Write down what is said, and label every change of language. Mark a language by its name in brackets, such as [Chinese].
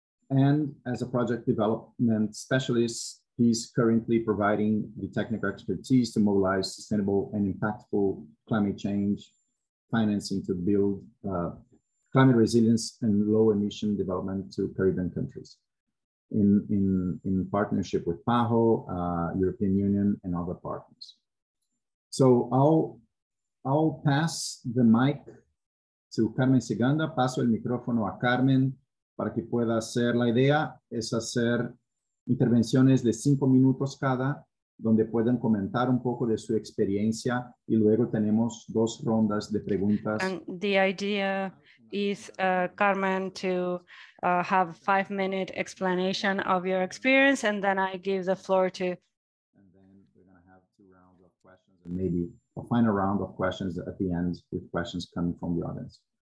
[English] And as a project development specialist, he's currently providing the technical expertise to mobilize sustainable and impactful climate change financing to build climate resilience and low emission development to Caribbean countries in partnership with PAHO, European Union, and other partners. So I'll pass the mic to Carmen Ciganda. [Spanish] Paso el micrófono a Carmen para que pueda hacer. La idea es hacer intervenciones de 5 minutos cada, donde puedan comentar un poco de su experiencia, y luego tenemos 2 rondas de preguntas. [English] And the idea is, Carmen, to have a 5-minute explanation of your experience, and then I give the floor to... And then we're going to have 2 rounds of questions, and maybe a final round of questions at the end with questions coming from the audience.